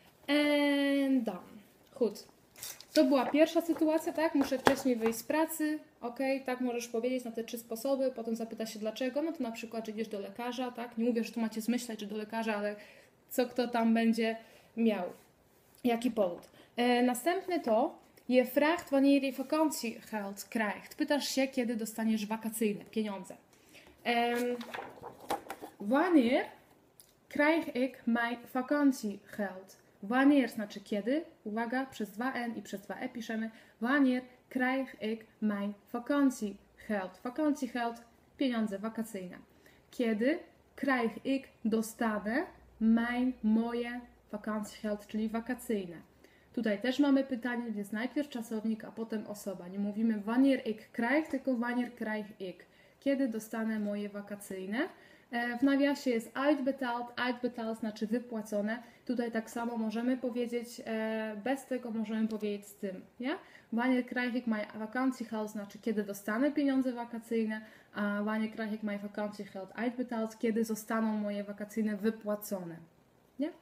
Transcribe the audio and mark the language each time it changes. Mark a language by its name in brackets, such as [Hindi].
[English] And done. [Polish] Chut. To była pierwsza sytuacja, tak? Muszę wcześniej wyjść z pracy. Okej, okay, tak możesz powiedzieć na te trzy sposoby. Potem zapyta się dlaczego. No to na przykład, że idziesz do lekarza, tak? Nie mówię, że tu macie zmyślać, czy do lekarza, ale co kto tam będzie miał. Jaki powód? Następny to [Dutch] Je vraagt wanneer je vakantiegeld krijgt. [Polish] Pytasz się, kiedy dostaniesz wakacyjne pieniądze. [Dutch] Wanneer krijg ik mijn vakantiegeld? [Polish] Wanneer znaczy kiedy? Uwaga, przez 2N i przez 2E piszemy. [Dutch] Wanneer krijg ik mijn vakantiegeld? [Polish] Vakantiegeld, pieniądze wakacyjne. Kiedy [Dutch] krijg ik [Polish] dostanę [Dutch] mijn [Polish] moje vakantiegeld, czyli wakacyjne? Tutaj też mamy pytanie, więc najpierw czasownik, a potem osoba. Nie mówimy [Dutch] wanneer ik krijg, [Polish] tylko [Dutch] wanneer krijg ik. [Polish] Kiedy dostanę moje wakacyjne? W nawiasie jest uitbetaald. Uitbetaald znaczy wypłacone. Tutaj tak samo możemy powiedzieć, bez tego możemy powiedzieć z tym. Nie? [Dutch] Wanneer krijg ik mijn vakantiegeld, [Polish] znaczy kiedy dostanę pieniądze wakacyjne, a [Dutch] wanneer krijg ik mijn vakantiegeld uitbetaald, [Polish] kiedy zostaną moje wakacyjne wypłacone. Nie?